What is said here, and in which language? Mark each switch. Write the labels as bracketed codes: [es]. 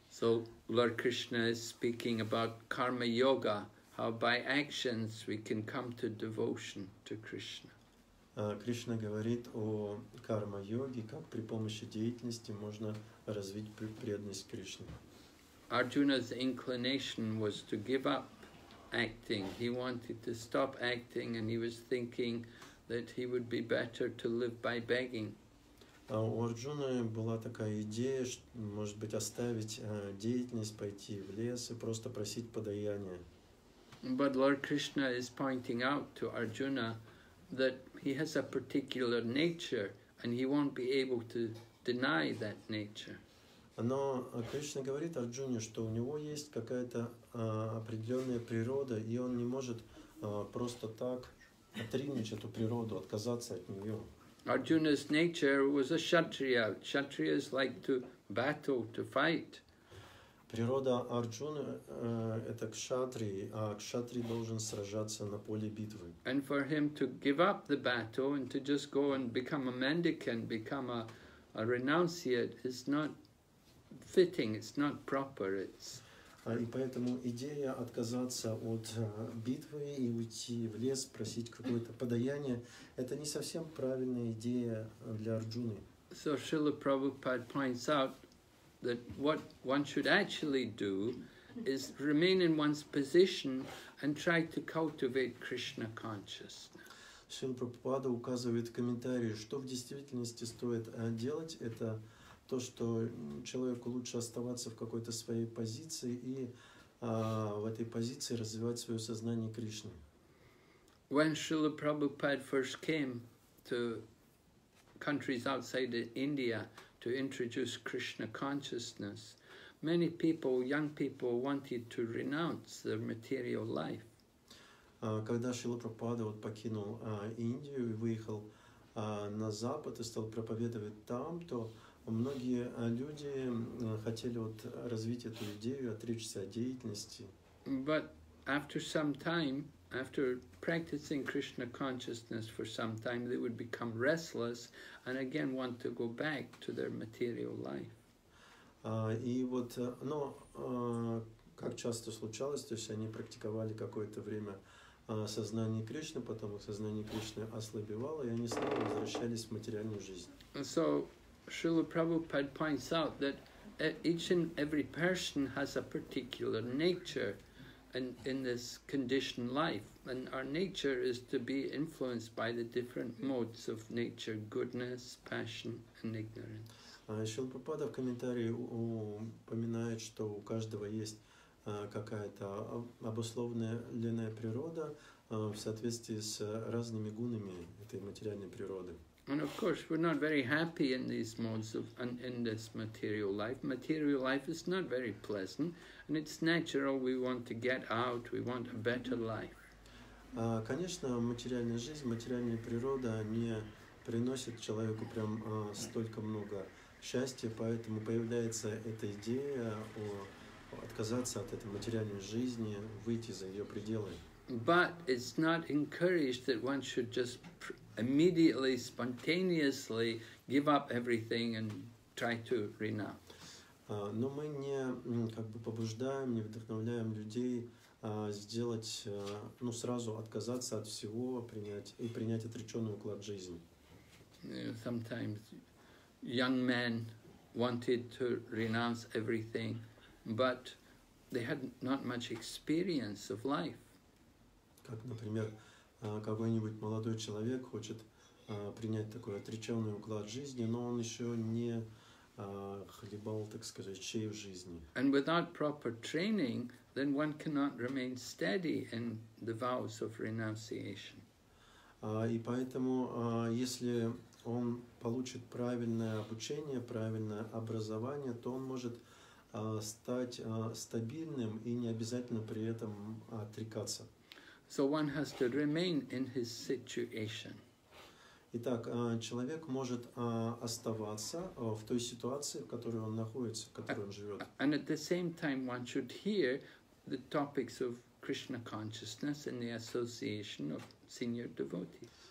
[en] So Lord Krishna is speaking about karma yoga, how by actions we can come to devotion to Krishna. [ru] Krishna говорит о карма йоге, как при помощи деятельности можно развить преданность Кришне. [en] Arjuna's inclination was to give up acting. He wanted to stop acting and he was thinking that he would be better to live by begging. [ru] У Арджуны была такая идея, что, может быть, оставить деятельность, пойти в лес и просто просить подаяния. [en] But Lord Krishna is pointing out to Arjuna that he has a particular nature and he won't be able to deny that nature. [ru] Но Кришна говорит Арджуне, что у него есть какая-то определенная природа, и он не может просто так отринуть эту природу, отказаться от нее. [en] Arjuna's nature was a kshatriya. Kshatriyas like to battle, to fight. [ru] Природа Арджуны это кшатрий, а кшатрий должен сражаться на поле битвы. [en] And for him to give up the battle and to just go and become a mendicant, become a renunciate is not fitting, it's not proper, it's... [ru] И поэтому идея отказаться от битвы и уйти в лес, просить какое-то подаяние, это не совсем правильная идея для Арджуны. [en] So Srila Prabhupada points out that what one should actually do is remain in one's position and try to cultivate Krishna consciousness. [ru] Srila Prabhupada указывает в комментарии, что в действительности стоит делать, это то, что человеку лучше оставаться в какой-то своей позиции и в этой позиции развивать свое сознание Кришны. [en] When Srila Prabhupada first came to countries outside India to introduce Krishna consciousness, many people, young people, wanted to renounce their material life. [ru] Когда Шрила Прабхупада покинул Индию и выехал на Запад и стал проповедовать там, то многие люди хотели вот развить эту идею, отречься от деятельности. [en] But after some time, after practicing Krishna consciousness for some time, they would become restless and again want to go back to their material life. [ru] Как часто случалось, то есть они практиковали какое-то время сознание Кришны, потом их сознание Кришны ослабевало, и они снова возвращались в материальную жизнь. [en] So, Srila Prabhupada points out that each and every person has a particular nature in this conditioned life, and our nature is to be influenced by the different modes of nature, goodness, passion and ignorance. [ru] Srila Prabhupada в комментарии упоминает, что у каждого есть какая-то обусловленная природа в соответствии с разными гунами этой материальной природы. [en] And of course, we're not very happy in these modes of in this material life. Material life is not very pleasant, and it's natural we want to get out. We want a better life. [ru] Конечно, материальная жизнь, материальная природа не приносит человеку прям столько много счастья, поэтому появляется эта идея отказаться от этой материальной жизни, выйти за ее пределы. [en] But it's not encouraged that one should just immediately, spontaneously give up everything and try to renounce. [ru] Но мы не как бы побуждаем, не вдохновляем людей сделать, сразу отказаться от всего, принять отреченный уклад жизни. [en] Sometimes young men wanted to renounce everything, but they had not much experience of life. [ru] Как, например, какой-нибудь молодой человек хочет принять такой отреченный уклад жизни, но он еще не хлебал, так сказать, чай в жизни. [en] And without proper training, then one cannot remain steady in the vows of renunciation. [ru] И поэтому, если он получит правильное обучение, правильное образование, то он может стать стабильным и не обязательно при этом отрекаться. [en] So one has to remain in his situation. [ru] Итак, человек может оставаться в той ситуации, в которой он находится, в которой он живет. [en] And at the same time, one should hear the topics of Krishna consciousness and the association of senior devotees.